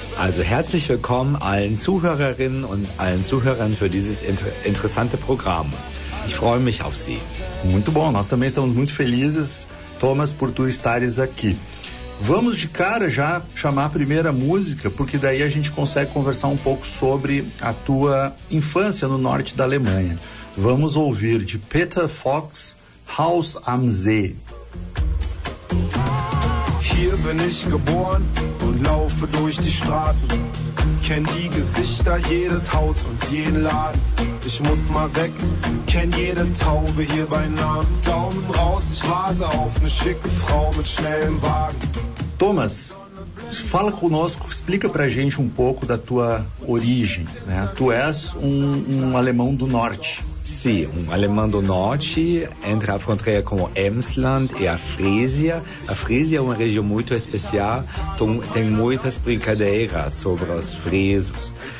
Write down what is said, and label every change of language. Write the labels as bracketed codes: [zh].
[de] Also herzlich willkommen allen Zuhörerinnen und allen Zuhörern für dieses interessante Programm. Ich freue mich auf Sie. [pt] Muito bom, nós também estamos muito felizes, Thomas, por tu estares aqui. Vamos de cara já chamar a primeira música, porque daí a gente consegue conversar um pouco sobre a tua infância no norte da Alemanha. Vamos ouvir de Peter Fox, Haus am See. [de] Hier bin ich geboren und laufe durch die Straßen. Kenn die Gesichter, jedes Haus und jeden Laden. Ich muss mal weg, kenn jede Taube hier bei Namen. Daumen raus, ich warte auf eine schicke Frau mit schnellem Wagen. [pt] Thomas, fala conosco, explica pra gente um pouco da tua origem, né? Tu és um alemão do norte. Sim, um alemão do norte, entre a fronteira com o Emsland e a Frísia. A Frísia é uma região muito especial, tem muitas brincadeiras sobre os frisos.